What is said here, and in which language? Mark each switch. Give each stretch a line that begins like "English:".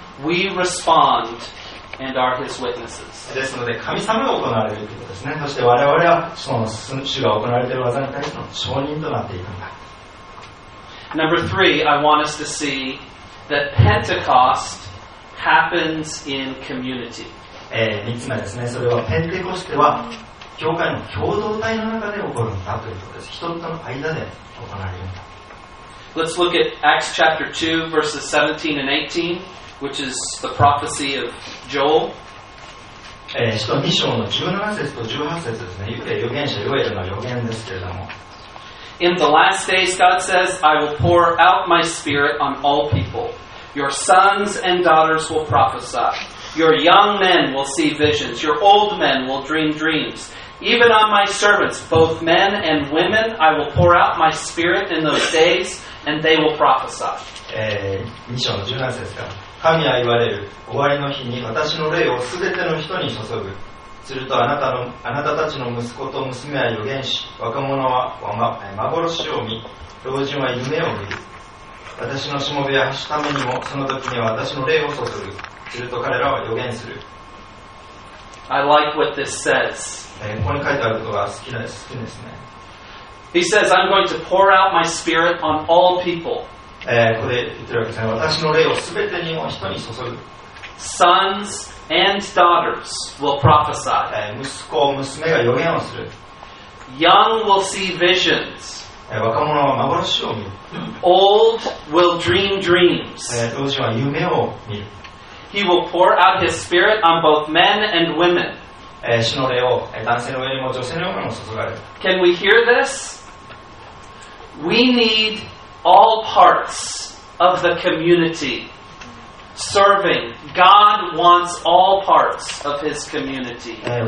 English: We respondAnd are his witnesses.
Japanese: ですので神様が行われるということですね。そして我々はその主が行われている技に対しての証人となっているんだ。
English: Number three, I want us to see that Pentecost happens in community.
Japanese: 3つ目ですね。それはペンテコステは教会の共同体の中で起こるんだということです。人々の間で行われるんだ。
English: Let's look at Acts chapter 2, verses 17 and 18. Which is the prophecy of Joel.
Japanese: 使徒2章の17節と18節ですね。預言者ヨエルの預言ですけれども。
English: In the last days, God says, I will pour out my spirit on all people. Your sons and daughters will prophesy. Your young men will see visions. Your old men will dream dreams. Even on my servants, both men and women, I will pour out my spirit in those days, and they will prophesy.
Japanese: 2章の17節から。神は言われる。終わりの日に私の霊をすべての人に注ぐ。するとあなたたちの息子と娘は預言し、若者は幻を見、老人は夢を見る。私のしもべは走るためにも、その時には私の霊を注ぐ。すると彼らは預言する。
English: I like what this says.
Japanese: ここに書いてあることが好きです。好きですね。
English: He says, I'm going to pour out my spirit on all people.
Japanese: ここで言ってるわけですね。私の霊をすべてにも人に注ぐ。
English: Sons and daughters will prophesy.
Japanese: 息子娘が予言をする。
English: Young will see visions.
Japanese: 若者は幻を見る。
English: Old will dream dreams.
Japanese: 老人は夢を見る。
English: He will pour out his spirit on both men and women.
Japanese: 主の霊を男性の上にも女性の上にも注がれる。
English: Can we hear this? We need. All parts of the community serving. God wants all parts of His community